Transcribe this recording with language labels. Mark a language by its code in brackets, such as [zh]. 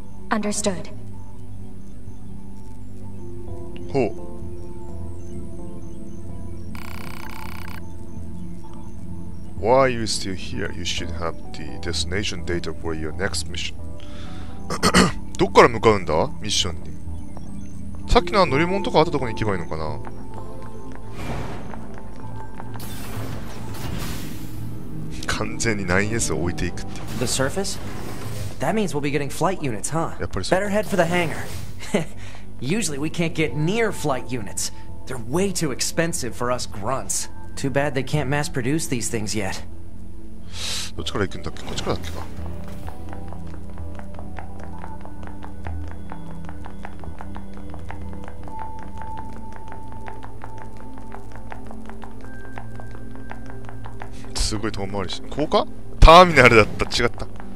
[en] Understood. [ja] ほう。 [en] Why are you still here? You should have the destination data for your next mission. [ja] どっから向かうんだ?ミッションに。さっきの乗り物とかあったとこに行けばいいのかな? 完全に 9S を置いていくって。 [en] The surface? That means we'll be getting flight units, huh? [ja] やっぱりそう。 [en] Better head for the hangar. Usually we can't get near flight units. They're way too expensive for us grunts. Too bad they can't mass produce these things yet. [ja] どっちから行くんだっけ?こっちからだっけか? すごい遠回りして、ここか?ターミナルだった、違った。